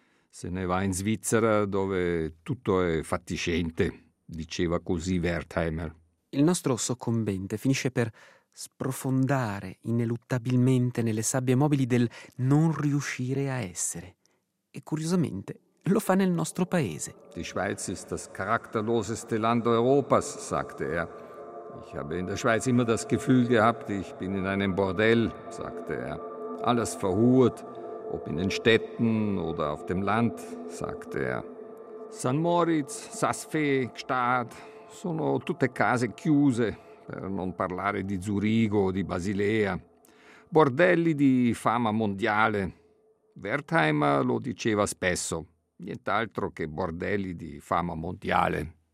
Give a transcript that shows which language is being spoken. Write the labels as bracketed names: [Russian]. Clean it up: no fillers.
[Italian] Se ne va in Svizzera dove tutto è fatiscente, diceva così Wertheimer. Il nostro soccombente finisce per sprofondare ineluttabilmente nelle sabbie mobili del non riuscire a essere. E curiosamente lo fa nel nostro paese. [German] Die Schweiz ist das charakterloseste Land Europas, sagte er. Ich habe in der Schweiz immer das Gefühl gehabt, ich bin in einem Bordell, sagte er. Alles verhurt, ob in den Städten oder auf dem Land, sagte er. San Moritz, Sassfee, Gstaad. [Italian] Sono tutte case chiuse, per non parlare di Zurigo o di Basilea. Bordelli di fama mondiale. Wertheimer lo diceva spesso. Nient'altro che bordelli di fama mondiale.